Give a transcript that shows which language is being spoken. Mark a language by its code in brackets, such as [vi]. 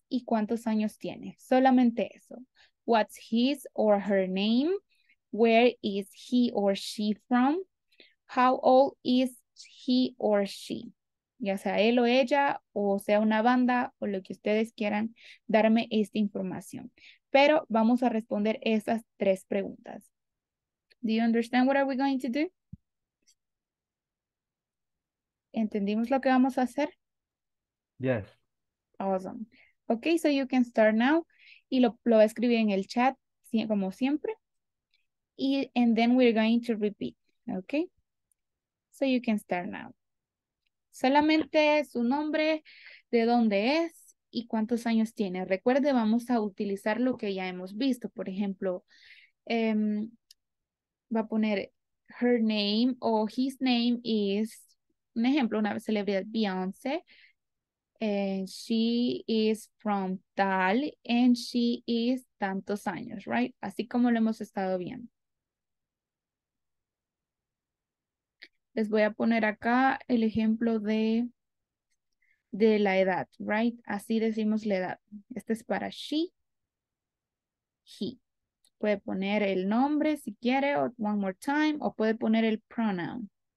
[es] ¿Y cuántos años tiene? Solamente eso. [en] What's his or her name? Where is he or she from? How old is he or she? [es] Ya sea él o ella o sea una banda o lo que ustedes quieran darme esta información. Pero vamos a responder esas tres preguntas. [en] Do you understand what are we going to do? [es] ¿Entendimos lo que vamos a hacer? [en] Yes. Awesome. Okay, so you can start now. [es] Y lo voy a escribir en el chat, como siempre. [en] And then we're going to repeat. [es] Okay? [en] So you can start now. [es] Solamente su nombre, de dónde es, y cuántos años tiene. Recuerde, vamos a utilizar lo que ya hemos visto. Por ejemplo, va a poner her name o his name is, un ejemplo, una celebridad, Beyoncé. [en] And she is from tal and she is tantos años, right? [es] Así como lo hemos estado viendo. Les voy a poner acá el ejemplo de la edad, right? Así decimos la edad. Este es para she, he. Puede poner el nombre si quiere, o one more time, o puede poner el pronoun.